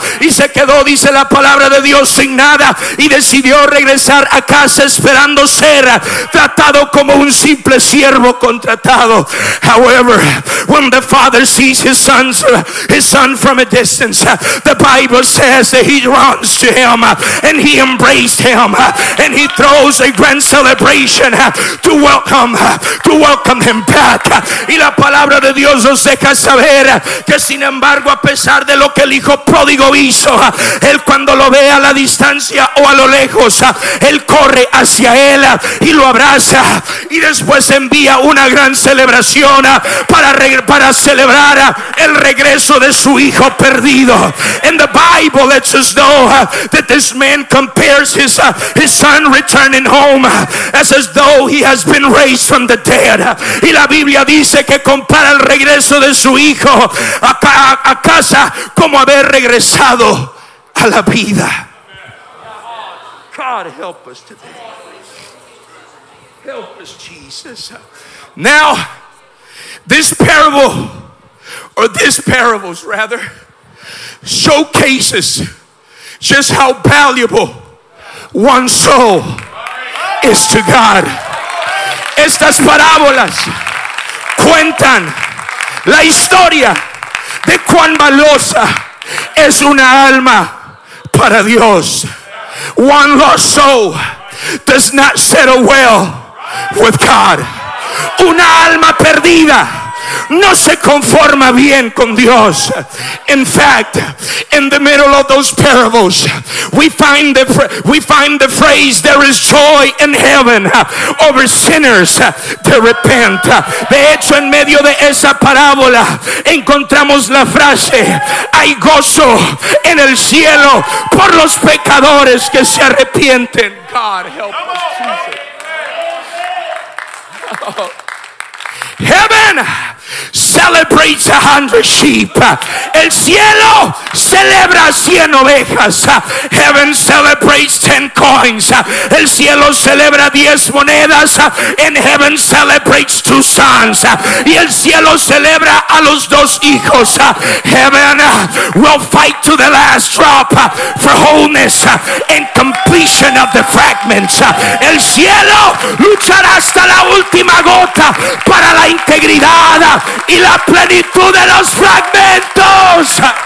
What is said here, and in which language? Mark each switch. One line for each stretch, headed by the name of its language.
Spanish: Y se quedó, dice la palabra de Dios, sin nada y decidió regresar a casa esperando ser tratado como un simple siervo contratado.
English: However, when the father sees his son from a distance, the Bible says that he runs to him and he embraced him and he throws a grand celebration to welcome him back.
Spanish: Y la palabra de Dios nos deja saber que sin embargo, a pesar de lo que el hijo pródigo hizo, él cuando lo ve a la distancia o a lo lejos, él corre hacia él y lo abraza y después envía una gran celebración para celebrar el regreso de su hijo perdido.
English: And the Bible lets us know that this man compares his son returning home as though he has been raised from the dead.
Spanish: Y la Biblia dice que compara el regreso de su hijo a casa como haber regresado a la vida.
English: God help us today. Help us, Jesus. Now, these parables showcases just how valuable one soul is to God.
Spanish: Estas parábolas cuentan la historia de cuán valiosa es una alma para Dios.
English: One lost soul does not settle well with God.
Spanish: Una alma perdida no se conforma bien con Dios.
English: In fact, in the middle of those parables, we find the phrase, there is joy in heaven over sinners that repent.
Spanish: De hecho, en medio de esa parábola encontramos la frase, hay gozo en el cielo por los pecadores que se arrepienten.
English: God help us, Jesus. Heaven celebrates 100 sheep.
Spanish: El cielo celebra 100 ovejas.
English: Heaven celebrates 10 coins.
Spanish: El cielo celebra 10 monedas.
English: And heaven celebrates 2 sons.
Spanish: Y el cielo celebra a los dos hijos.
English: Heaven will fight to the last drop for wholeness and completion of the fragments.
Spanish: El cielo luchará hasta la última gota para la integridad y la plenitud de los fragmentos.